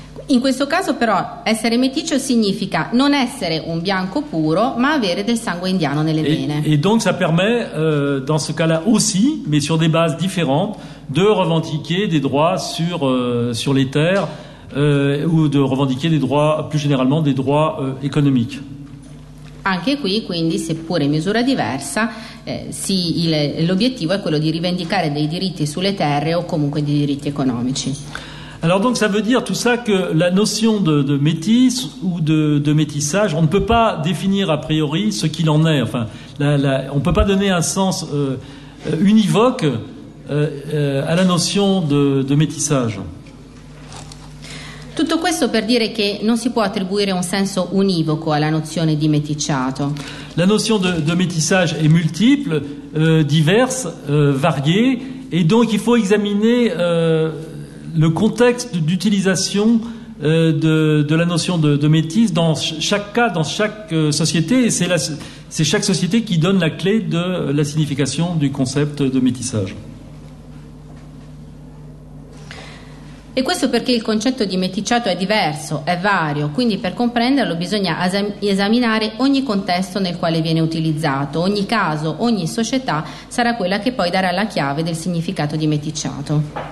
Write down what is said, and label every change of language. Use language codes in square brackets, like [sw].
[it] In questo caso però essere meticcio significa non essere un bianco puro, ma avere del sangue indiano nelle vene. [fr] E donc ça permet dans ce cas-là aussi, mais sur des bases différentes, de revendiquer des droits sur les terres ou de revendiquer des droits plus généralement des droits économiques. [it] Anche qui, quindi, seppure in misura diversa, l'obiettivo è quello di rivendicare dei diritti sulle terre o comunque dei diritti economici. [fr] Alors donc ça veut dire tout ça que la notion de métis ou de métissage, on ne peut pas définir a priori ce qu'il en est. Enfin, on ne peut pas donner un sens univoque à la notion de métissage. [it] Tutto questo per dire che non si può attribuire un senso univoco alla nozione di meticciato. [fr] La notion de métissage est multiple, diverse, variée, et donc il faut examiner le contexte d'utilisation de la notion de métis dans chaque cas, dans chaque société, et c'est chaque société qui donne la clé de la signification du concept de métissage. [it] E questo perché il concetto di meticciato è diverso, è vario, quindi per comprenderlo bisogna esaminare ogni contesto nel quale viene utilizzato, ogni caso, ogni società sarà quella che poi darà la chiave del significato di meticciato.